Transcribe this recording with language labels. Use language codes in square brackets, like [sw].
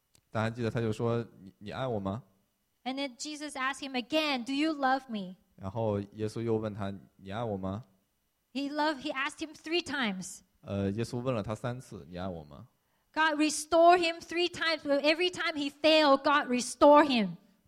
[zh] 大家记得，他就说，你爱我吗 [en] ？And then Jesus asked him again, "Do you love me?" [zh] 然后耶稣又问他，你爱我吗 [en] ？He asked him three times. [zh] 耶稣问了他三次，你爱我吗 [en] ？God restored him three times. Every time he failed, God restored him.